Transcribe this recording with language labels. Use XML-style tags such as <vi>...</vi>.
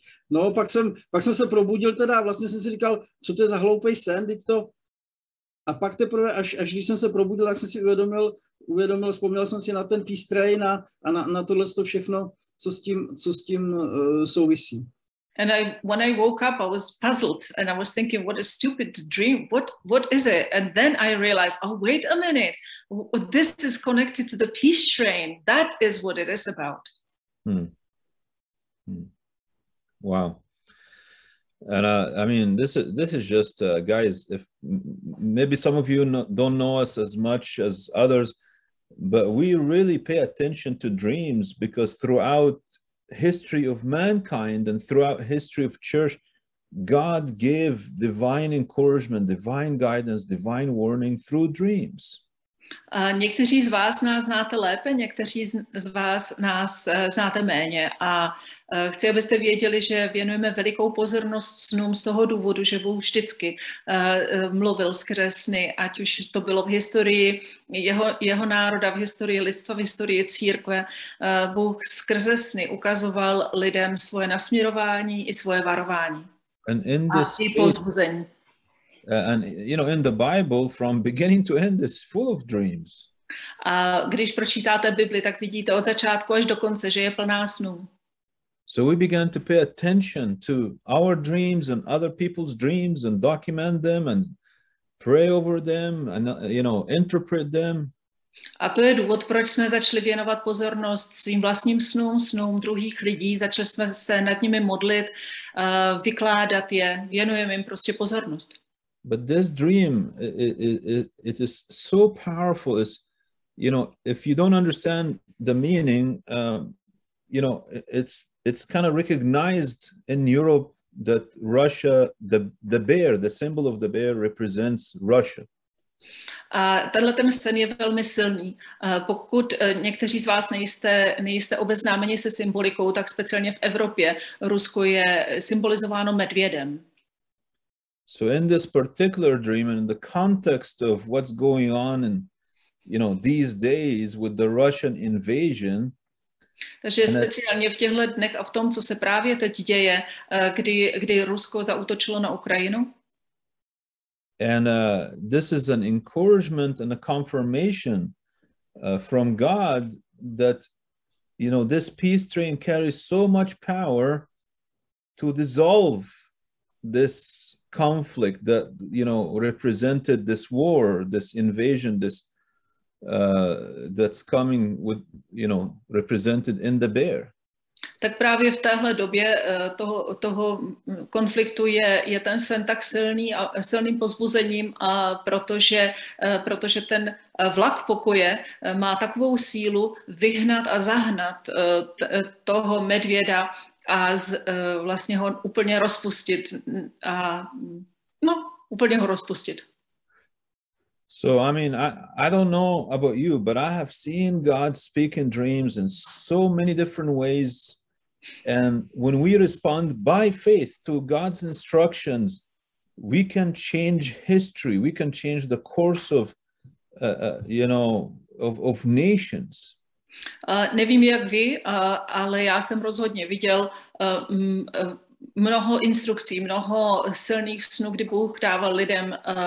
<cs>No, pak jsem se probudil teda, vlastně jsem si říkal, co to je za hloupej sen, teď to... A pak teprve, až když jsem se probudil, tak jsem si uvědomil, vzpomněl jsem si na ten peace train a na tohle to všechno, co s tím souvisí.</cs> <en>And when I woke up, I was puzzled and I was thinking, what a stupid dream, what is it? And then I realized, oh, wait a minute, this is connected to the peace train, that is what it is about. Wow. And I mean, this is just, guys, if maybe some of you don't know us as much as others, but we really pay attention to dreams because throughout history of mankind and throughout history of church, God gave divine encouragement, divine guidance, divine warning through dreams.</en> <cs>Někteří z vás nás znáte lépe, někteří z vás nás znáte méně a chci, abyste věděli, že věnujeme velikou pozornost snům z toho důvodu, že Bůh vždycky mluvil skrze sny, ať už to bylo v historii jeho národa, v historii lidstva, v historii církve. Bůh skrze sny ukazoval lidem svoje nasměrování i svoje varování a svý povzbuzení.</cs> <en>And you know, in the Bible, from beginning to end, it's full of dreams.</en> <cs>A když pročítáte Bibli, tak vidíte od začátku až do konce, že je plná snů.</cs> <en>So we began to pay attention to our dreams and other people's dreams and document them and pray over them and you know, interpret them.</en> <cs>A to je důvod, proč jsme začali věnovat pozornost svým vlastním snům, snům druhých lidí. Začali jsme se nad nimi modlit, vykládat je, věnujeme jim prostě pozornost.</cs> <en>But this dream, it is so powerful. It's, you know, if you don't understand the meaning, you know, it's kind of recognized in Europe that Russia, the bear, the symbol of the bear represents Russia.</en> <cs>A tenhle ten sen je velmi silný. Pokud někteří z vás nejste obeznámeni se symbolikou, tak speciálně v Evropě Rusko je symbolizováno medvědem.</cs> <en>So in this particular dream and in the context of what's going on in, you know, these days with the Russian invasion.</en> <cs>Takže speciálně v těchto dnech a v tom, co se právě teď děje, kdy Rusko zaútočilo na Ukrajinu.</cs> <en>And this is an encouragement and a confirmation from God that, you know, this peace train carries so much power to dissolve this conflict that, you know, represented this war, this invasion, this that's coming with, you know, represented in the bear.</en> <cs>Tak právě v téhle době toho konfliktu je ten sen tak silný a silným pozbuzením, a protože ten vlak pokoje má takovou sílu vyhnat a zahnat toho medvěda a vlastně ho úplně rozpustit a úplně ho rozpustit.</cs> <en>So I mean, I don't know about you, but I have seen God speak in dreams in so many different ways. And when we respond by faith to God's instructions, we can change history. We can change the course of, you know, of nations.</en> <cs>Nevím, jak vy, ale já jsem rozhodně viděl mnoho instrukcí, mnoho silných snů, kdy Bůh dával lidem</cs>